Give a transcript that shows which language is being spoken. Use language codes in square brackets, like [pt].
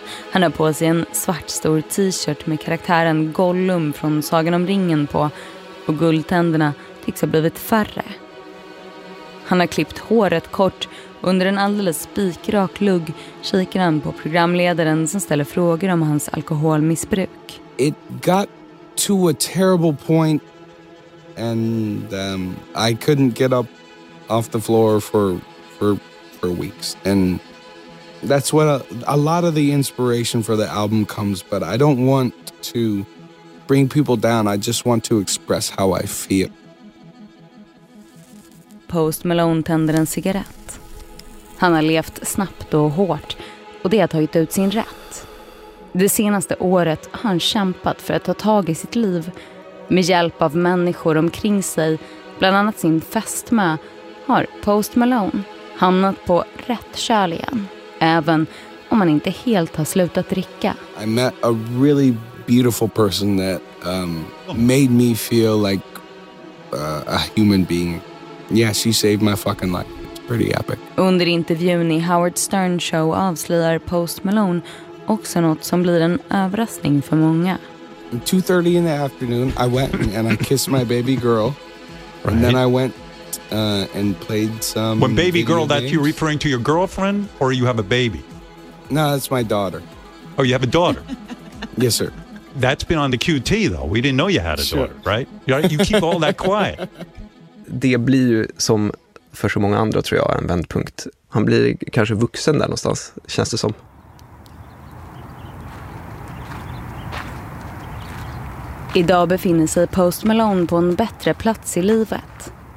[sv] Han har på sig en svart stor t-shirt med karaktären Gollum från Sagan om ringen på, och guldtänderna tycks ha blivit färre. Han har klippt håret kort. Under en alldeles spikrak lugg kikar han på programledaren som ställer frågor om hans alkoholmissbruk. [en] It got to a terrible point and I couldn't get up off the floor for weeks, and that's what a lot of the inspiration for the album comes, but I don't want to bring people down. I just want to express how I feel. [sv] Post Malone tänder en cigarett. Han har levt snabbt och hårt, och det har tagit ut sin rätt. Det senaste året har han kämpat för att ta tag i sitt liv. Med hjälp av människor omkring sig, bland annat sin fästmö, har Post Malone hamnat på rätt köl igen, även om han inte helt har slutat dricka. [en] I met a really beautiful person that made me feel like a human being. Yeah, she saved my fucking life. It's pretty epic. [sv] Under intervjun i Howard Stern show avslöjar Post Malone också något som blir en överraskning för många. [en] 2:30 in the afternoon, I went and I kissed my baby girl. Right. And then I went and played some. When baby girl, that you're referring to your girlfriend, or you have a baby? No, that's my daughter. Oh, you have a daughter? Yes, sir. That's been on the QT though. We didn't know you had a daughter, right? You keep all that quiet. [sv] Det blir ju som för så många andra, tror jag, en vändpunkt. Han blir kanske vuxen där någonstans, känns det som. Idag befinner sig Post Malone på en bättre plats i livet.